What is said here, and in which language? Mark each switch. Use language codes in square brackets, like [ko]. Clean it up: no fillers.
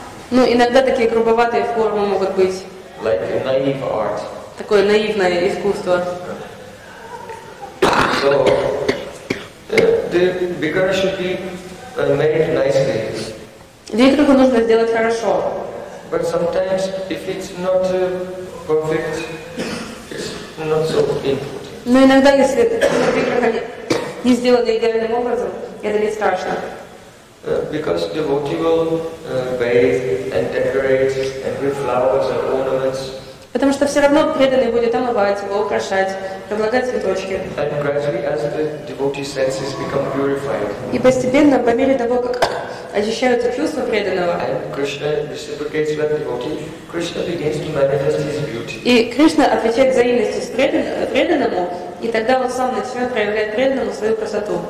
[ru] Но иногда такие грубоватые формы могут быть. [en] Like naive art. [ru] Такое наивное искусство. [en] So, the bigger should be made nicely. [ru] Вихрюху нужно сделать хорошо. [en] But sometimes if it's not perfect, it's not so important. [ru] Но иногда, если вихрюха не сделана идеальным образом, это не страшно. [en] Because devotee will bathe and decorate every flowers and ornaments. [ru] Потому что все равно преданный будет омывать его, украшать, предлагать цветочки. [en] And gradually, as the devotee senses become purified. [ru] И постепенно, по мере того, как очищаются чувства преданного. [en] And Krishna reciprocates with devotee. Krishna begins to manifest his beauty. [ru] И Кришна отвечает взаимностью с преданному, и тогда он сам начинает проявлять преданному свою красоту.